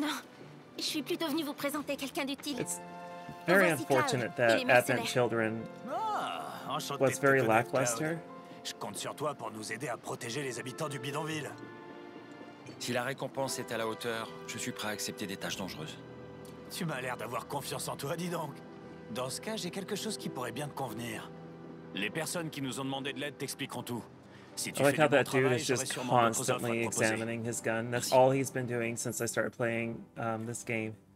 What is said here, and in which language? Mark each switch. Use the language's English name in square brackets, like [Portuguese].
[French] Non, je suis plutôt venu vous présenter quelqu'un d'utile. [English] It's very unfortunate that Advent Children was very lackluster. [French] Je compte sur toi pour nous aider à protéger les habitants du bidonville. Si la récompense est à la hauteur, je suis prêt à accepter des tâches dangereuses. Tu m'as l'air d'avoir confiance en toi, dis donc. Dans ce cas, j'ai quelque chose qui pourrait bien te convenir. Les personnes qui nous ont demandé de l'aide t'expliqueront tout. [English] I like how that dude is just constantly examining his gun. That's all he's been doing since I started playing this game.